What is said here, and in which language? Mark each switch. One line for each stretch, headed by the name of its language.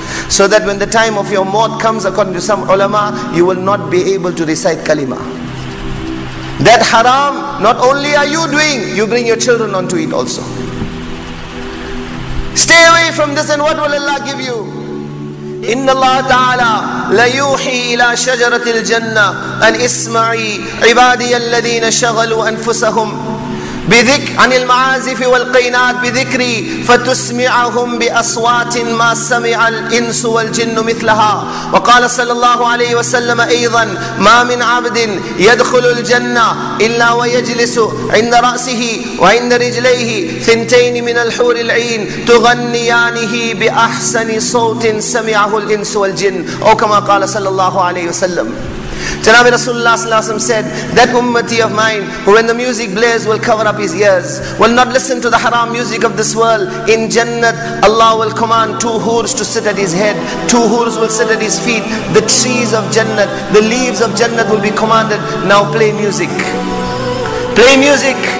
English: So that when the time of your maut comes, according to some ulama, you will not be able to recite kalima. That haram, not only are you doing, you bring your children onto it also. Stay away from this, and what will Allah give you?
Arabic: إِنَّ اللَّهَ تَعَالَى لَيُوحِي إِلَى شَجَرَةِ الْجَنَّةِ أَنْ إِسْمَعِي عِبَادِيَ الَّذِينَ شَغَلُوا أَنفُسَهُمْ عن المعازف والقينات بذكري فتسمعهم بأصوات ما سمع الإنس والجن مثلها. وقال صلى الله عليه وسلم أيضا ما من عبد يدخل الجنة إلا ويجلس عند رأسه وعند رجليه ثنتين من الحور العين تغنيانه بأحسن صوت سمعه الإنس والجن أو كما قال صلى الله عليه وسلم.
English: Janabi Rasulullah sallallahu alaihi wasallam said, that ummati of mine who when the music blares will cover up his ears, will not listen to the haram music of this world, in Jannat Allah will command two hoors to sit at his head, two hoors will sit at his feet, the trees of Jannat, the leaves of Jannat will be commanded, now play music, play music.